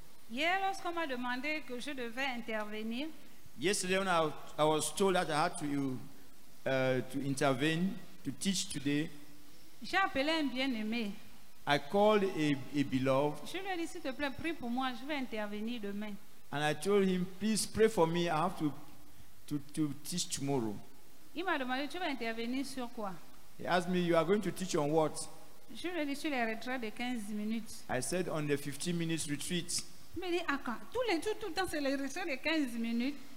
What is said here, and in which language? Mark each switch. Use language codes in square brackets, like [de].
[fr] Hier, lorsqu'on m'a demandé que je devais intervenir, [en] yesterday when I was told that I had to intervene to teach today, [fr] j'ai appelé un bien-aimé. [en] I called a beloved. [fr] Je lui ai dit s'il te plaît, prie pour moi, je vais intervenir demain. [en] And I told him, please pray for me. I have to teach tomorrow. [fr] Il m'a demandé, tu vas intervenir sur quoi? [en] He asked me, you are going to teach on what? [fr] Je lui ai dit sur les retraites de 15 minutes. [en] I said on the 15 minutes retreat. [fr] Il m'a dit, ah quand? Tous les jours, tout le temps, c'est les retraites de 15 minutes.